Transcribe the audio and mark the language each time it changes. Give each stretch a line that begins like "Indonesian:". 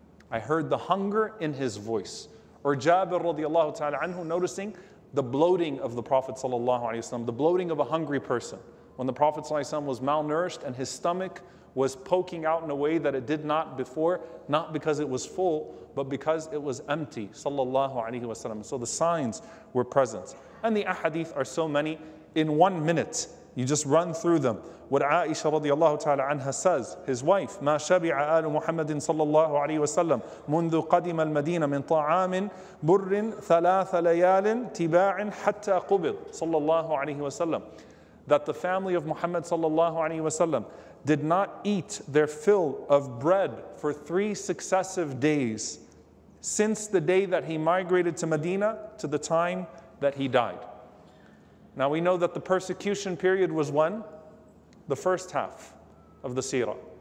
English: I heard the hunger in his voice. Or Jabir radiallahu ta'ala anhu noticing the bloating of the Prophet ﷺ, the bloating of a hungry person. When the Prophet ﷺ was malnourished and his stomach was poking out in a way that it did not before, not because it was full, but because it was empty, sallallahu alayhi wa sallam. So the signs were present. And the ahadith are so many. In 1 minute, you just run through them. What Aisha radiallahu ta'ala anha says, his wife,
Arabic: ما شبع آل محمد صلى الله عليه وسلم منذ قدم المدينة من طعام بر ثلاث ليال تباع حتى قبض صلى الله عليه وسلم.
English: That the family of Muhammad sallallahu alayhi wa sallam did not eat their fill of bread for 3 successive days since the day that he migrated to Medina to the time that he died. Now we know that the persecution period was when? The first half of the seerah.